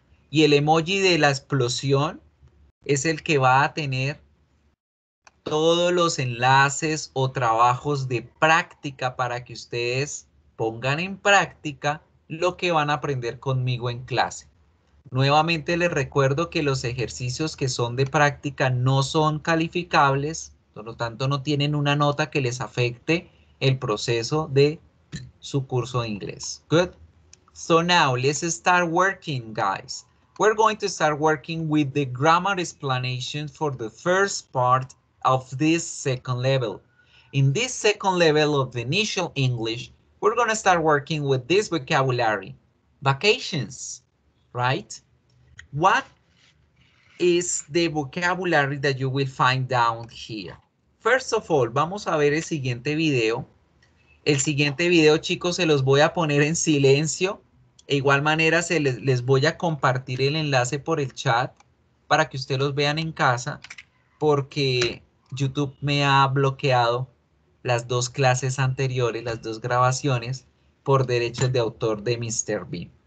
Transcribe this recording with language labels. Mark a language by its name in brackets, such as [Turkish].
[Spanish] Y el emoji de la explosión es el que va a tener todos los enlaces o trabajos de práctica para que ustedes pongan en práctica lo que van a aprender conmigo en clase. Nuevamente les recuerdo que los ejercicios que son de práctica no son calificables, por lo tanto no tienen una nota que les afecte el proceso de su curso de inglés. [English] Good. So now let's start working, guys. We're going to start working with the grammar explanation for the first part of this second level. In this second level of the initial English, we're going to start working with this vocabulary, vacations, right? What is the vocabulary that you will find down here? First of all, [Spanish] vamos a ver el siguiente video. El siguiente video, chicos, se los voy a poner en silencio. De igual manera, les voy a compartir el enlace por el chat para que ustedes los vean en casa, porque YouTube me ha bloqueado las dos clases anteriores, las dos grabaciones, por derechos de autor de Mr. Bean.